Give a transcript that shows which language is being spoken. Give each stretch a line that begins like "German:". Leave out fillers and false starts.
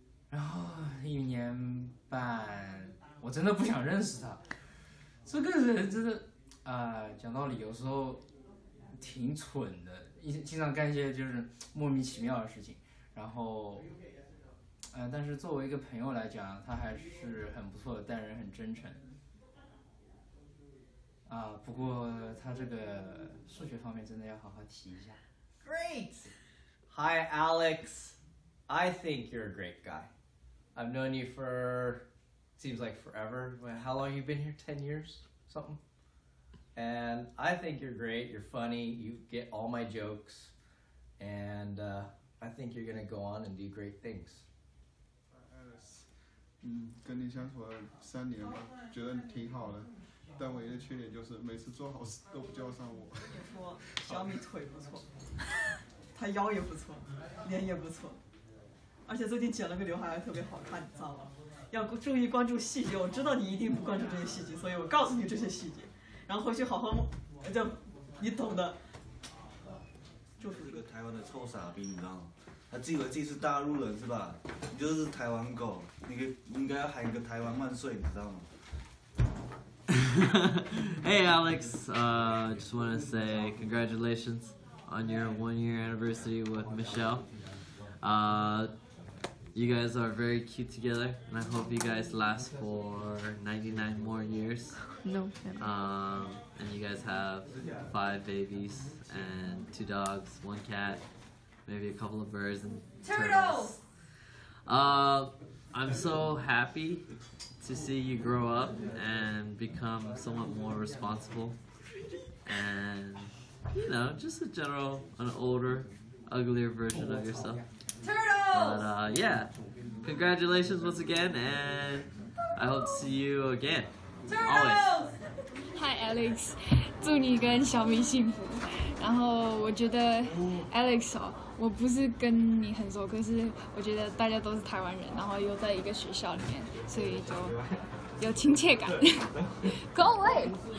Chinese: 然后一年半我真的不想认识他，这个人真的讲道理有时候挺蠢的，经常干一些就是莫名其妙的事情，然后但是作为一个朋友来讲他还是很不错的，待人很真诚啊，不过他这个数学方面真的要好好提一下。
English: Great! Hi Alex, I think you're a great guy. I've known you for, seems like forever. How long have you been here? 10 years? Something? And I think you're great, you're funny, you get all my jokes. And I think you're gonna go on and do great things.
Chinese: Hi Alex, 跟你相处了3年了，觉得你挺好的。但唯一的缺点就是每次做好事都不叫上我。别说，小米腿不错，他腰也不错，脸也不错，而且最近剪了个刘海还特别好看，你知道吗？要注意关注细节，我知道你一定不关注这些细节，所以我告诉你这些细节，然后回去好好，就你懂的。就是一个台湾的臭傻逼，你知道吗？他自以为自己是大陆人是吧？你就是台湾狗，你应该要喊一个台湾万岁，你知道吗？
English: Hey Alex, just want to say congratulations on your 1 year anniversary with Michelle. You guys are very cute together, and I hope you guys last for 99 more years. No. And you guys have 5 babies and 2 dogs, 1 cat, maybe a couple of birds and turtles. I'm so happy to see you grow up and become somewhat more responsible and, you know, just a general, an older, uglier version of yourself. Turtles! But, yeah, congratulations once again, and I hope to see you again. Turtles! Always.
Chinese: Hi, Alex. 祝你跟小米幸福。然后我觉得 Alex 哦，我不是跟你很熟，可是我觉得大家都是台湾人，然后又在一个学校里面，所以就有亲切感。
English: Go away！